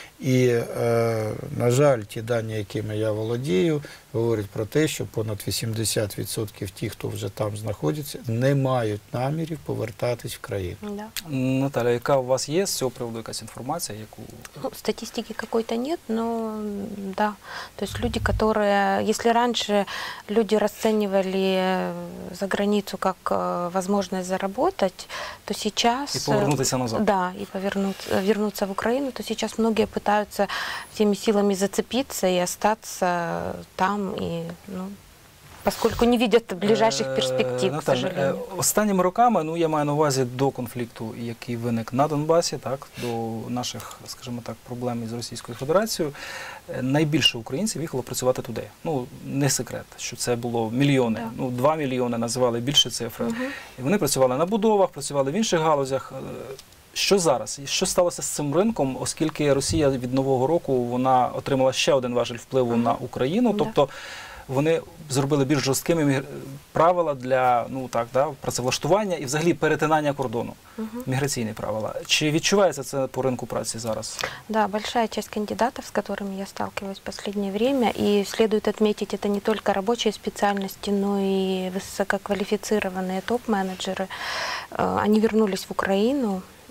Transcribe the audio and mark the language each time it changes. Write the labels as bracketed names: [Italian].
[Ukrainian] І, на жаль, ті дані, якими я володію, говорять про те, що понад 80% тих, хто вже там знаходиться, не мають намірів повертатись в країну. [Russian] Да. [Ukrainian] Наталя, яка у вас є з цього приводу якась інформація? Яку... Статистики якоїсь немає, але... [Russian] Да, то есть люди, которые, если раньше люди расценивали за границу как возможность заработать, то сейчас... И повернуться назад. Да, и вернуться в Украину, то сейчас многие пытаются всеми силами зацепиться и остаться там, и, ну, поскольку не видят ближайших перспектив, к сожалению. [Ukrainian] Останніми роками, ну, я маю на увазі до конфлікту, який виник на Донбасі, так, до наших, скажімо так, проблем із Російською Федерацією, найбільше українців їхало працювати туди. Ну, не секрет, що це було мільйони, да. Ну, 2 мільйони називали більші цифри. Угу. І вони працювали на будовах, працювали в інших галузях. Що зараз? І що сталося з цим ринком, оскільки Росія від нового року вона отримала ще один важель впливу на Україну, тобто вони зробили більш жорсткими правила для працевлаштування і взагалі перетинання кордону, міграційні правила. Чи відчувається це по ринку праці зараз? [Russian] Да, большая часть кандидатов, с которыми я сталкиваюсь в последнее время, и следует отметить, это не только рабочие специальности, но и высококвалифицированные топ-менеджеры, они вернулись в Украину.